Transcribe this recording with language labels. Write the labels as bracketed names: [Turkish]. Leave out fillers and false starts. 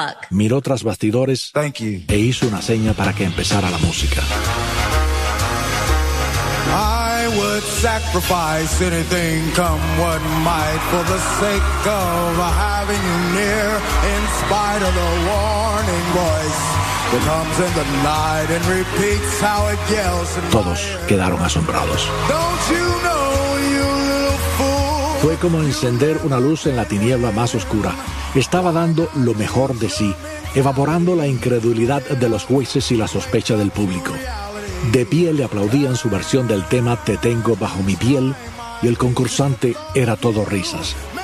[Spanish] Miró tras bastidores e hizo una seña para que empezara la música. [English] I would sacrifice anything come what might for the sake of having you near in spite of the warning voice that comes in the night and repeats how it yells. [Spanish] Todos quedaron asombrados. [English] Don't you know, you little fool? [Spanish] Fue como encender una luz en la tiniebla más oscura. Estaba dando lo mejor de sí, evaporando la incredulidad de los jueces y la sospecha del público. De pie le aplaudían su versión del tema Te tengo bajo mi piel y el concursante era todo risas.